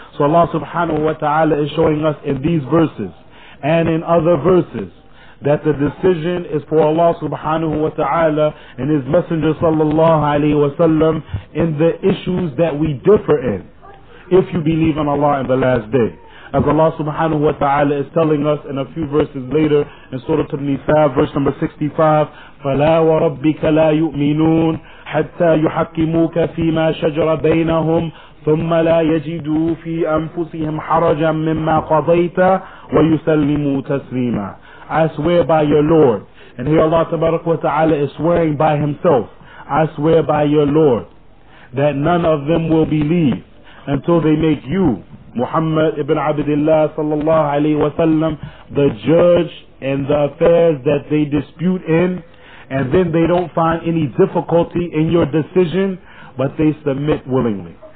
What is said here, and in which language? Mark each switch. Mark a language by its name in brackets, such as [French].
[English] So Allah subhanahu wa ta'ala is showing us in these verses and in other verses that the decision is for Allah subhanahu wa ta'ala and His Messenger sallallahu alayhi wa sallam in the issues that we differ in if you believe in Allah in the last day. As Allah subhanahu wa ta'ala is telling us in a few verses later in Surah An-Nisa, verse number 65, [Arabic] فَلَا وَرَبِّكَ لَا يُؤْمِنُونَ حَتَّى يُحَكِّمُوكَ فِي مَا شَجْرَ بَيْنَهُمْ ثُمَّ لَا يَجِدُوا فِي أَنفُسِهِمْ حَرَجًا مِّمَّا قَضَيْتَ وَيُسَلِّمُوا تَسْلِيمًا. [English] I swear by your Lord. And here Allah tabarak wa ta'ala is swearing by Himself. I swear by your Lord that none of them will believe until they make you, Muhammad ibn Abdullah sallallahu alayhi wa sallam, the judge in the affairs that they dispute in, and then they don't find any difficulty in your decision, but they submit willingly.